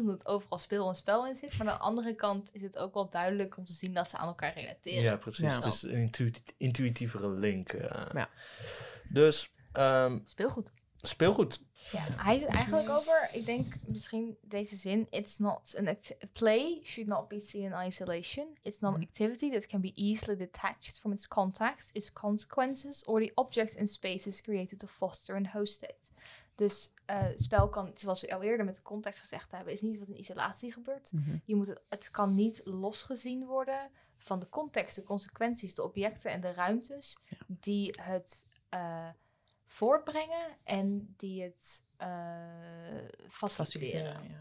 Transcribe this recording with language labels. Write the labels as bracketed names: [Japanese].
[Dutch] Omdat overal speel en spel in zit. Maar aan de andere kant is het ook wel duidelijk om te zien dat ze aan elkaar relateren. Ja, precies. Ja. Het is een intuïtievere link. Ja. Dus. Speelgoed. Speelgoed. Ja, hij is eigenlijk over, ik denk misschien deze zin. [English] It's not an play should not be seen in isolation. It's not an activity that can be easily detached from its contacts, its consequences, or the object and spaces created to foster and host it. [Dutch] Dus spel kan, zoals we al eerder met de context gezegd hebben, is niet wat in isolatie gebeurt. Mm-hmm. Je moet het kan niet losgezien worden van de context, de consequenties, de objecten en de ruimtes die het... voortbrengen en die het faciliteren.